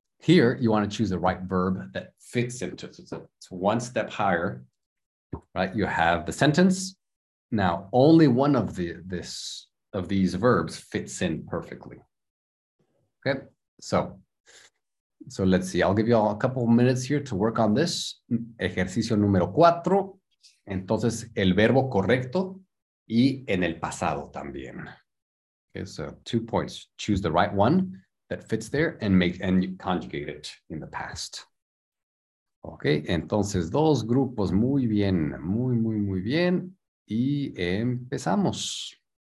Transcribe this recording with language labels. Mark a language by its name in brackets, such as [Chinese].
[English] Here you want to choose the right verb that fits into it. So it's one step higher, right? You have the sentence. Now, only one of these verbs fits in perfectly. Okay, so let's see. I'll give you all a couple of minutes here to work on this. [Spanish] Ejercicio número 4. Entonces, el verbo correcto y en el pasado también. [English] Okay, so 2 points. Choose the right one that fits there and you conjugate it in the past. [Spanish] Okay, entonces, 2 grupos. Muy bien, muy, muy, muy bien. Y empezamos.